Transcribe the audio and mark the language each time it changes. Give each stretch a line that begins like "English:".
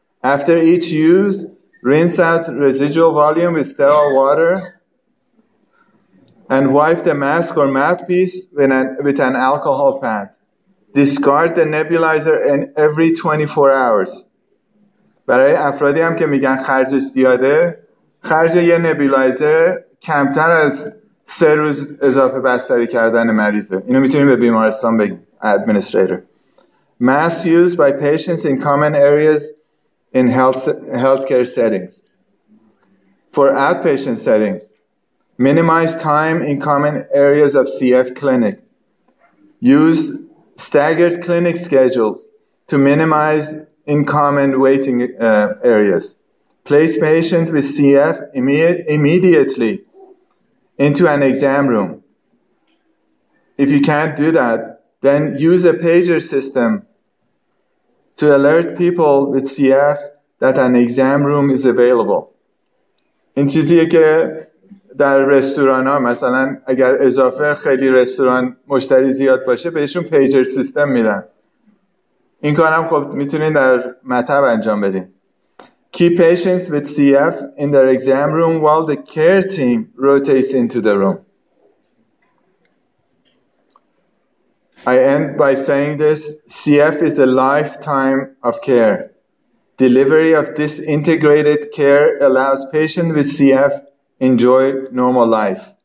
English: After each use, rinse out residual volume with sterile water and wipe the mask or mouthpiece with an alcohol pad. Discard the nebulizer in every 24 hours.
Persian: برای افرادی هم که میگن خرجش زیاده، خرج یه نبیلایزر کمتر از 3 روز اضافه بستری کردن مریضه. اینو میتونیم به بیمارستان بگیم.
English: Administrator. Mask used by patients in common areas in healthcare settings. For outpatient settings, minimize time in common areas of CF clinic. Use staggered clinic schedules to minimize in common waiting areas. Place patients with CF immediately into an exam room. If you can't do that, then use a pager system to alert people with CF that an exam room is available.
Persian: این چیزیه که در رستوران ها مثلا اگر اضافه خیلی رستوران مشتری زیاد باشه بهشون پیجر سیستم میدن. این کارم خب میتونین در مطب انجام بدین.
English: Keep patients with CF in their exam room while the care team rotates into the room. I end by saying this, CF is a lifetime of care. Delivery of this integrated care allows patients with CF enjoy normal life.